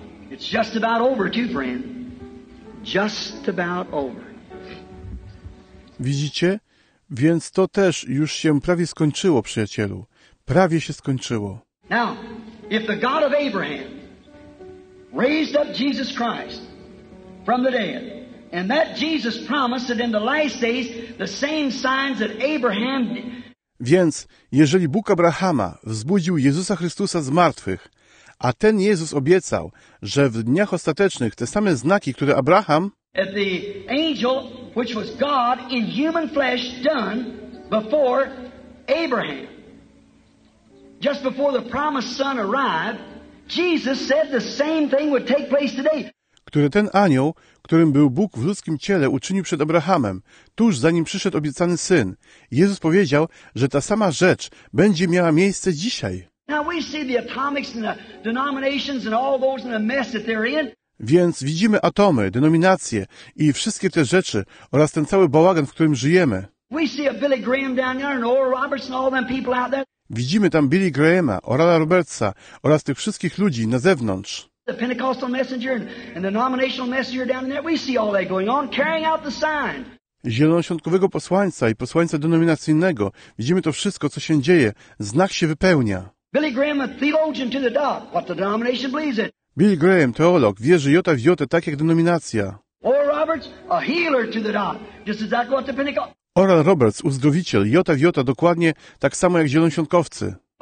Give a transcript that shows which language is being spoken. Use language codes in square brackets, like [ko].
[en] It's just about over too, friend. Just about over. [pl] Widzicie? Więc to też już się prawie skończyło, przyjacielu. Prawie się skończyło. [en] Now, if the God of Abraham raised up Jesus Christ from the dead, and that Jesus promised that in the last days the same signs that Abraham did. [pl] Więc, jeżeli Bóg Abrahama wzbudził Jezusa Chrystusa z martwych, a ten Jezus obiecał, że w dniach ostatecznych te same znaki, które Abraham, [en] that the angel, which was God in human flesh, done before Abraham, just before the promised son arrived. Jesus said the same thing would take place today. [pl] Który ten anioł, którym był Bóg w ludzkim ciele, uczynił przed Abrahamem, tuż zanim przyszedł obiecany syn. Jezus powiedział, że ta sama rzecz będzie miała miejsce dzisiaj. [en] Now we see the atomics and the denominations and all those in the mess that they're in. [pl] Więc widzimy atomy, denominacje i wszystkie te rzeczy oraz ten cały bałagan, w którym żyjemy. [en] We see a Billy Graham down there and Oral Roberts and all them people out there. [pl] Widzimy tam Billy Grahama, Orala Robertsa oraz tych wszystkich ludzi na zewnątrz. [en] The Pentecostal messenger and the denominational messenger down there, we see all that going on, carrying out the sign. [pl] Zielonoświątkowego posłańca i posłańca denominacyjnego, widzimy to wszystko, co się dzieje, znak się wypełnia. [en] Billy Graham, a theologian to the dot, what the denomination believes in. [pl] Billy Graham, teolog, wierzy jota w jotę, tak jak denominacja. [en] Or Roberts, a healer to the dot, just exactly what the Pentecostal. [pl] Oral Roberts, uzdrowiciel, jota w jota, dokładnie tak samo jak zielonoświątkowcy.